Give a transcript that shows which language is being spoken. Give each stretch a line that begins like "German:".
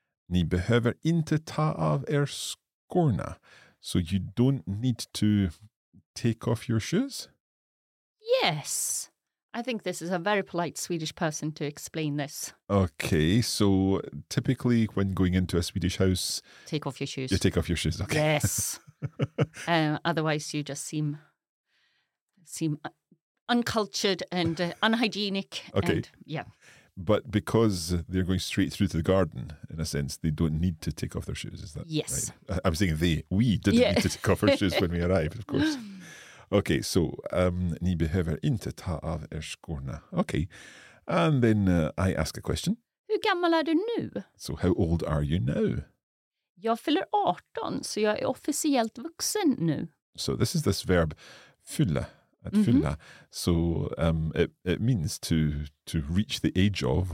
Swedish: Ni behöver inte ta av er skorna.
English: So you don't need to take off your shoes? Yes. I think this is a very polite Swedish person to explain this. Okay, so typically when going into a Swedish house... Take off your shoes. You take off your shoes, okay. Yes. otherwise you just seem uncultured and unhygienic. Okay. And, yeah. But because they're going straight through to the garden, in a sense, they don't need to take off their shoes, is that yes. Right? I'm saying they. We didn't need to take off our shoes when we arrived, of course. Okay, so,
Swedish: ni behöver inte ta av er skorna.
English: Okay, and then I ask a question.
Swedish: Hur gammal är du nu?
English: So how old are you now?
Swedish: Jag fyller 18, så jag är officiellt vuxen nu.
English: So this is this verb, fylla. At mm-hmm. fylla. So it means to reach the age of.